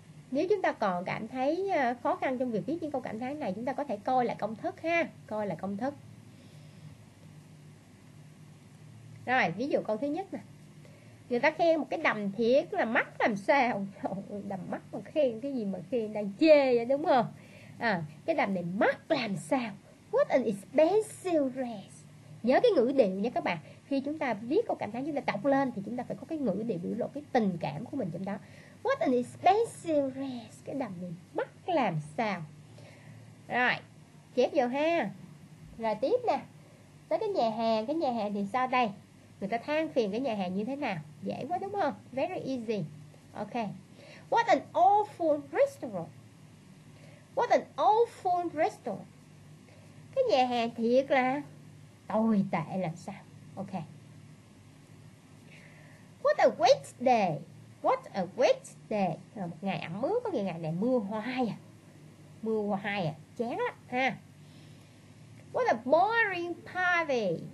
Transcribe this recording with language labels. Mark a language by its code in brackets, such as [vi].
[vi] Nếu chúng ta còn cảm thấy khó khăn trong việc viết những câu cảm thán này, chúng ta có thể coi lại công thức ha. Coi lại công thức. Rồi, ví dụ câu thứ nhất nè. Người ta khen một cái đầm thiệt là mắt làm sao. Đầm mắt mà khen cái gì mà khen, đang chê vậy đúng không? À, cái đầm này mắt làm sao. [en] What an expensive dress. [vi] Nhớ cái ngữ điệu nha các bạn. Khi chúng ta viết câu cảm thán, chúng ta đọc lên thì chúng ta phải có cái ngữ điệu biểu lộ cái tình cảm của mình trong đó. [en] What an expensive dress. [vi] Cái đầm này mắc làm sao. Rồi, chép vô ha. Rồi tiếp nè, tới cái nhà hàng. Cái nhà hàng thì sao đây? Người ta than phiền cái nhà hàng như thế nào? Dễ quá đúng không? [en] Very easy. [vi] Ok. [en] What an awful restaurant. What an awful restaurant. [vi] Cái nhà hàng thiệt là tồi tệ làm sao. Ok. [en] What a wet day. What a wet day. [vi] Là một ngày ẩm ướt, có nghĩa ngày này mưa hoài à. Mưa hoài à, chán lắm ha. [en] What a boring party.